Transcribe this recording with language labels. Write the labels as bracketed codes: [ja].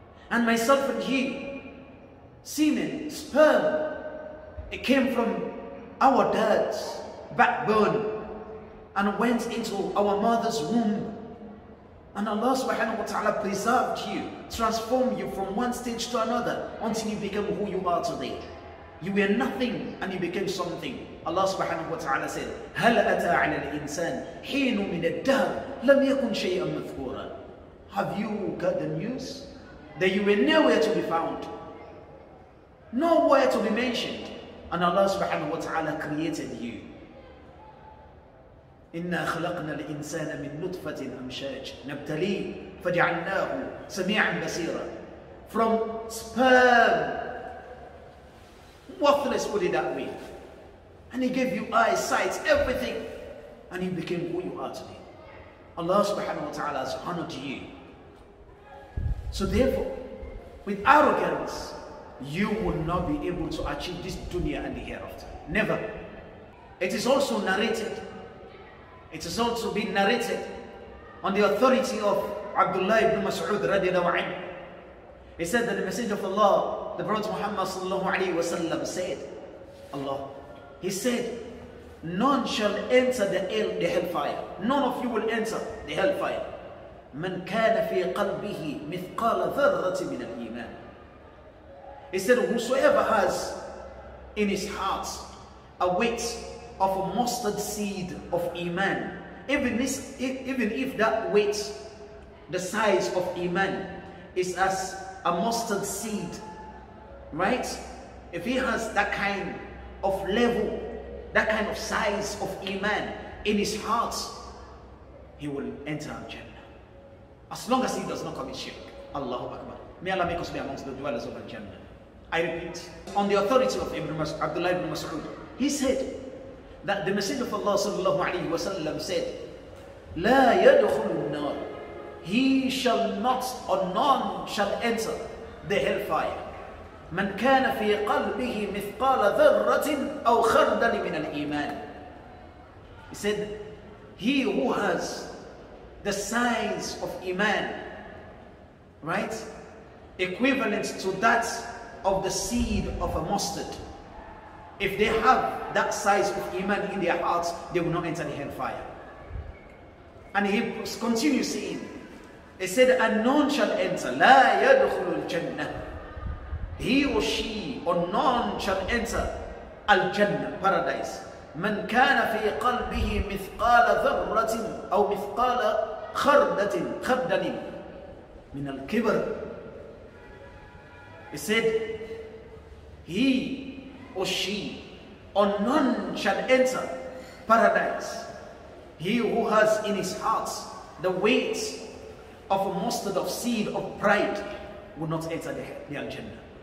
[en] And myself and you, semen, sperm, it came from our dirt, backbone, and went into our mother's womb. And Allah subhanahu wa ta'ala preserved you, transformed you from one stage to another until you become who you are today. You were nothing and you became something. [ar] Allah subhanahu wa ta'ala said, هَلْ أَتَى عَلَى الْإِنسَانِ حِينُ مِنَ الدَّهْرِ لَمْ يَكُنْ شَيْئًا مَذْكُورًا. [en] Have you got the news that you were nowhere to be found? Nowhere to be mentioned. And Allah subhanahu wa ta'ala created you. [ar] إِنَّا خَلَقْنَا الْإِنسَانَ مِنْ نُطْفَةٍ أَمْشَاجٍ نَبْتَلِيهِ فَجَعَلْنَاهُ سَمِيعًا بَصِيرًا. [en] From sperm, worthless, put it that way. And he gave you eyesight, everything. And he became who you are today. Allah subhanahu wa ta'ala has honored you. So therefore, with arrogance, you will not be able to achieve this dunya and the hereafter. Never. It is also narrated, it has also been narrated on the authority of Abdullah ibn Mas'ud radiallahu anhu. He said that the Messenger of Allah, the Prophet Muhammad sallallahu alayhi wa sallam said, Allah, he said, none shall enter the hellfire. None of you will enter the hellfire. [ar] من كان في قلبه مثقال ذرة من الإيمان. [en] He said, whosoever has in his heart a weight of a mustard seed of iman, even this, even if that weight, the size of iman, is as a mustard seed, right? If he has that kind of level, that kind of size of iman in his heart, he will enter Al-Jannah. As long as he does not commit shirk. Allahu Akbar. May Allah make us be amongst the dwellers of Al-Jannah. I repeat, on the authority of Abdullah ibn Mas'ud, he said that the Messenger of Allah sallallahu alayhi wa sallam said, [ar] لا يدخل النار. [en] He shall not, or none shall enter the hellfire. [ar] من كان في قلبه مثقال ذرة أو خردل من الإيمان. [en] He said, he who has the size of Iman, right? Equivalent to that of the seed of a mustard. If they have that size of Iman in their hearts, they will not enter the hellfire. And he continues saying, he said, and none shall enter. [ar] لا يدخل الجنة. [en] He or she or none shall enter Al-Jannah, paradise. [ar] من كان في قلبه مثقال ذرة أو مثقال خردل من الكبر. [en] He said, he or she or none shall enter paradise. He who has in his heart the weight of a mustard of seed of pride will not enter the Al-Jannah.